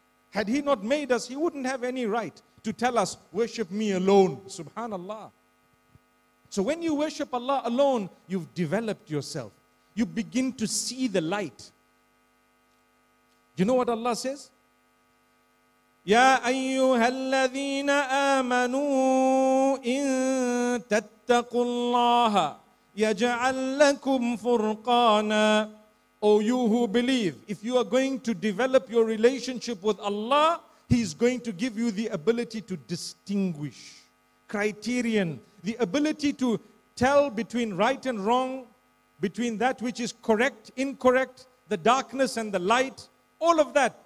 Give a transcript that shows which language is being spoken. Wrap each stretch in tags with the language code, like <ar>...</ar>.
<en>Had he not made us, he wouldn't have any right to tell us, worship me alone, subhanallah. So when you worship Allah alone, you've developed yourself. You begin to see the light. You know what Allah says?</en> <ar>يا أيها الذين آمنوا إن تتقوا الله يجعل لكم فرقانا.</ar> <en>Oh, you who believe, if you are going to develop your relationship with Allah, He is going to give you the ability to distinguish, criterion, the ability to tell between right and wrong, between that which is correct, incorrect, the darkness and the light, all of that.</en>